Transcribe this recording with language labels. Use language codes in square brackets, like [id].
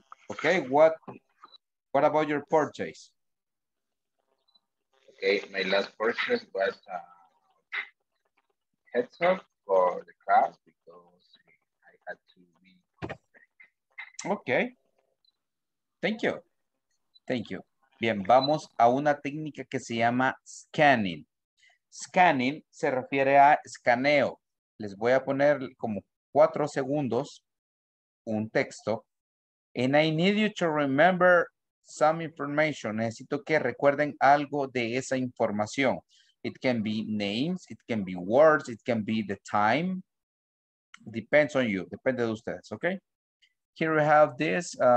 [en] Okay, what about your purchase? Okay, my last purchase was a headset for the class because I had to be. Okay. Thank you. Thank you. [es] Bien, vamos a una técnica que se llama scanning. Scanning se refiere a escaneo. Les voy a poner como 4 segundos un texto. [en] And I need you to remember some information. [es] Necesito que recuerden algo de esa información. [en] It can be names, it can be words, it can be the time. Depends on you, [es] depende de ustedes, [en] okay? Here we have this.